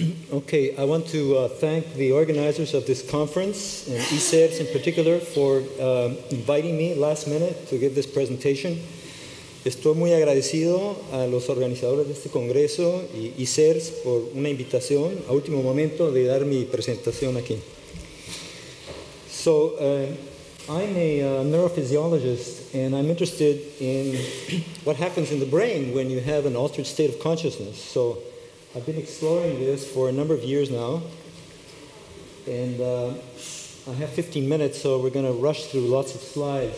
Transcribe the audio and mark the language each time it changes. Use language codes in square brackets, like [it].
[en] Okay, I want to thank the organizers of this conference, and ISERS in particular, for inviting me last minute to give this presentation. [es] Estoy muy agradecido a los organizadores de este congreso y ISERS por una invitación a último momento de dar mi presentación aquí. [en] So, I'm a neurophysiologist, and I'm interested in what happens in the brain when you have an altered state of consciousness. So, I've been exploring this for a number of years now, and I have 15 minutes, so we're going to rush through lots of slides.